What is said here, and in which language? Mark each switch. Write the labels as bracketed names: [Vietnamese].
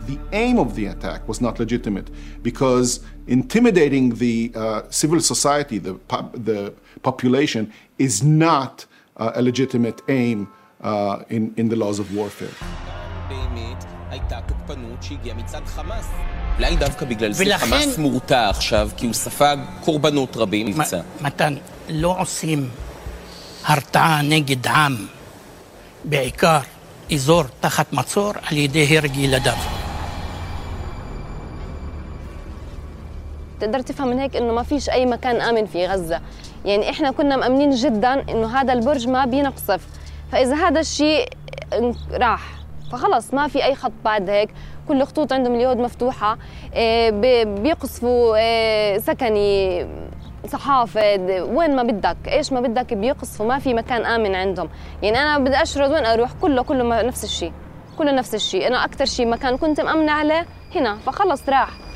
[English] The aim of the attack was not legitimate because intimidating the civil society, the population, is not a legitimate aim in the laws of warfare. [Hebrew] הייתה תוקפנות שהגיעה מצד חמאס. אולי דווקא בגלל זה חמאס מורתע עכשיו, כי הוא ספג קורבנות רבים. מתן, לא עושים הרתעה נגד עם, בעיקר אזור תחת מצור, על ידי הרג ילדיו. [Arabic] تقدر تفهم من هيك انه ما فيش اي مكان امن في غزة يعني احنا كنا مأمنين جدا انه هذا البرج ما بينقصف فاذا هذا الشيء راح فخلص ما في اي خط بعد هيك كل خطوط عندهم اليود مفتوحة بيقصفوا سكني صحافة وين ما بدك ايش ما بدك بيقصفوا ما في مكان امن عندهم يعني انا بدي اشرد وين اروح كله نفس الشيء كله نفس الشيء انا اكثر شيء مكان كنت مأمنة عليه هنا فخلص راح